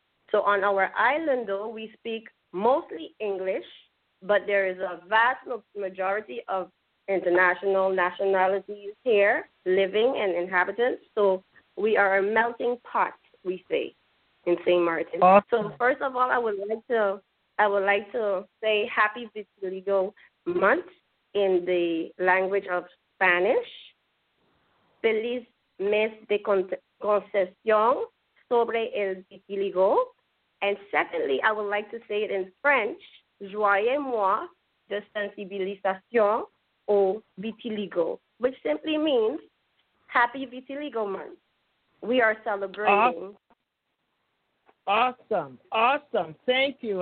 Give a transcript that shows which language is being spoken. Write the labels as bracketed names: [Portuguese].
[English] So on our island, though, we speak mostly English, but there is a vast majority of international nationalities here living and inhabitants. So we are a melting pot, we say, in St. Martin. Awesome. So first of all, I would like to say happy Vitiligo Month in the language of Spanish. [Spanish] Feliz mes de concesión sobre el vitiligo. [English] And secondly, I would like to say it in French, [French] joyeux mois de sensibilisation au vitiligo, [English] which simply means happy Vitiligo Month. We are celebrating. Awesome. Awesome. Thank you.